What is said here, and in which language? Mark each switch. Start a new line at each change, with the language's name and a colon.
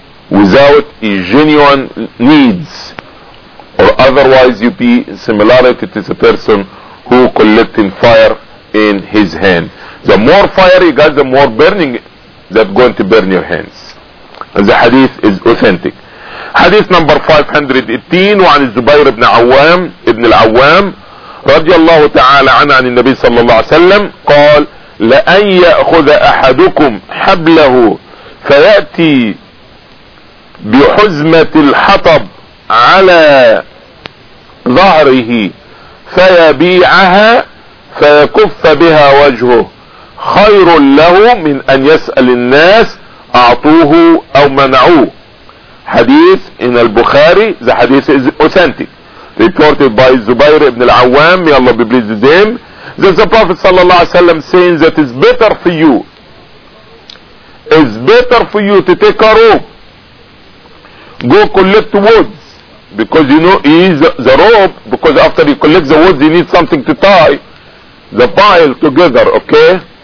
English: without a genuine needs, or otherwise you be similarity to the person who collecting fire in his hand. The more fire you got, the more burning that going to burn your hands. And the hadith is authentic. Hadith number 518,
Arabic: وعن الزبير بن عوام ابن العوام رضي الله تعالى عنه عن النبي صلى الله عليه وسلم قال لأن يأخذ أحدكم حبله فيأتي بحزمة الحطب على ظهره فيبيعها فيكف بها وجهه خير له من أن يسأل الناس أعطوه أو منعوه.
English: Hadith in al-Bukhari, the hadith is authentic. Reported by Zubair ibn al-Awwam, may Allah be pleased with him, that the Prophet sallallahu alaihi wasallam saying that it's better for you, it's better for you to take a rope, go collect woods, because you know he is the rope, because after you collect the woods, you need something to tie the pile together, okay?